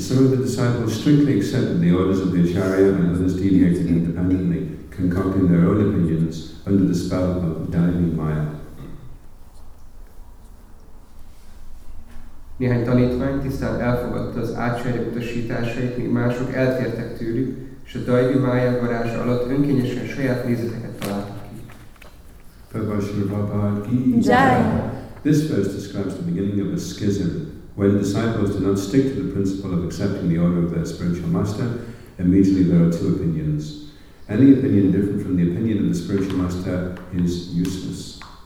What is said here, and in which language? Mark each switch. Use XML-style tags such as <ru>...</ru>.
<en>Some of the disciples strictly accepted the orders of the Acharya and others deviated independently. Concocting their own opinions under the spell of Daini Maya.</en> <hu>Néhány tanítvány tisztán elfogadta az Acharya utasításait, míg mások eltértek tőlük, és a Daini Maya varázsa alatt önkényesen saját nézeteket találtak. Jaya.</hu> <en>This verse describes the beginning of a schism, when disciples do not stick to the principle of accepting the order of their spiritual master. Immediately there are two opinions. Any opinion different from the opinion of the spiritual master is useless.</en>